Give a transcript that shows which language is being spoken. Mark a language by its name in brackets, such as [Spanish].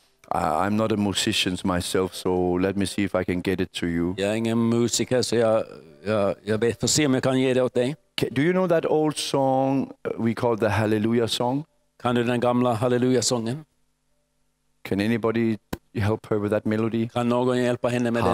[English] I'm not a musician myself, so let me see if I can get it to you. [Swedish] Jag är ingen musiker, så jag vet att se om jag kan ge det åt dig. [English] Do you know that old song we call the Hallelujah song? [Swedish] Kan du den gamla Hallelujah sången? [English] Can anybody help her with that melody? [Swedish] Kan någon hjälpa henne med den?